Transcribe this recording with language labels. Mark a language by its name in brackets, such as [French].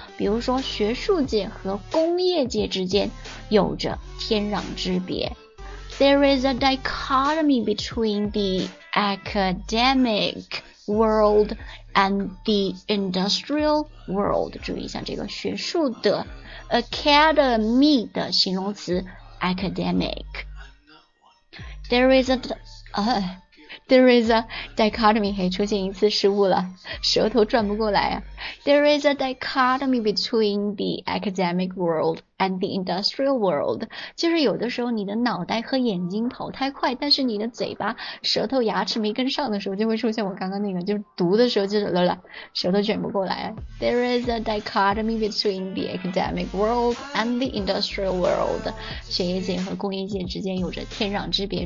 [Chinese] 比如说学术界和工业界之间有着天壤之别。 [English] There is a dichotomy between the academic world and the industrial world. [Chinese] 注意一下这个学术的 academy 的形容词 academic. [English] There is a dichotomy. [Chinese] 嘿，出现一次失误了，舌头转不过来啊。 [English] There is a dichotomy between the academic world and the industrial world. [Chinese] 就是有的时候你的脑袋和眼睛跑太快，但是你的嘴巴、舌头、牙齿没跟上的时候，就会出现我刚刚那个，就是读的时候就是了，舌头卷不过来。 [English] There is a dichotomy between the academic world and the industrial world. [Chinese] 学业界和工业界之间有着天壤之别。